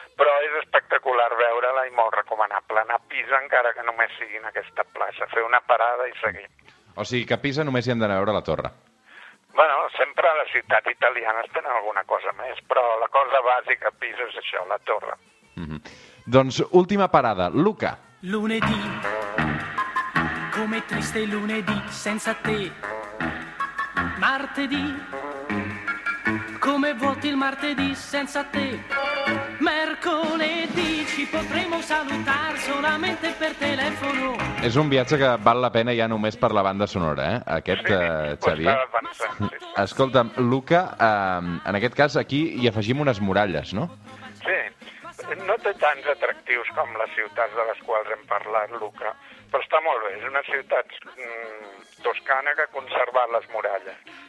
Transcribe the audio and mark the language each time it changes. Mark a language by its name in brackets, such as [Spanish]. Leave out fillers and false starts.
[Catalan] Però és espectacular veure-la i molt recomanable anar a Pisa, encara que només sigui en aquesta plaça, fer una parada i seguir. O sigui que a Pisa només hi hem d'anar a veure la torre. Bueno, sempre les ciutats italianes tenen alguna cosa més, però la cosa bàsica, Pisa, és això, la torre. Mm-hmm. Doncs última parada, Luca. [Italian] Lunedì, come triste lunedì senza te. Martedì, come vuoti il martedì senza te. Mercoledì ci potremo salutar solamente per telefono. [Catalan] És un viatge que val la pena ja només per la banda sonora, eh? Aquest, Xavier. Escolta'm, Luca, en aquest cas aquí hi afegim unes muralles, no? Sí, no té tants atractius com les ciutats de les quals hem parlat, Luca, però està molt bé, és una ciutat toscana que ha conservat les muralles.